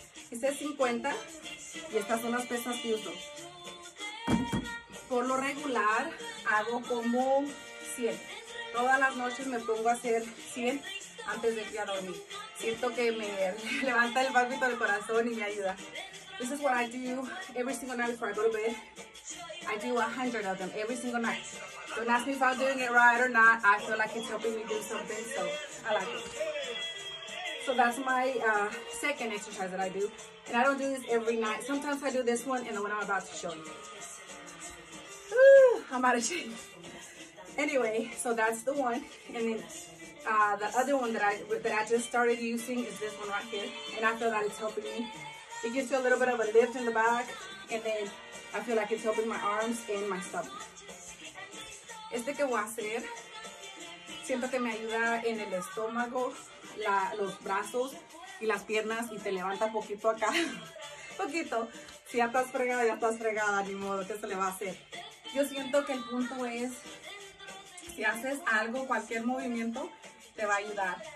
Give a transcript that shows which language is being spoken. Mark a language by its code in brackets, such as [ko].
[es] Este es 50 y estas son las pesas que uso. Por lo regular hago como 100. Todas las noches me pongo a hacer 100 antes de ir a dormir. Siento que me levanta el palpito del corazón y me ayuda. [en] This is what I do every single night before I go to bed. I do 100 of them every single night. Don't ask me if I'm doing it right or not. I feel like it's helping me do something, so I like it. So that's my second exercise that I do. And I don't do this every night. Sometimes I do this one and the one I'm about to show you. Ooh, I'm out of shape. Anyway, so that's the one. And then the other one that I just started using is this one right here. And I feel that it's helping me. It gives you a little bit of a lift in the back. And then I feel like it's helping my arms and my stomach. [es] Este que voy a hacer, siento que me ayuda en el estómago, los brazos y las piernas y te levanta poquito acá. Poquito. Si ya estás fregada, ya estás fregada, ni modo, ¿qué se le va a hacer? Yo siento que el punto es, si haces algo, cualquier movimiento, te va a ayudar.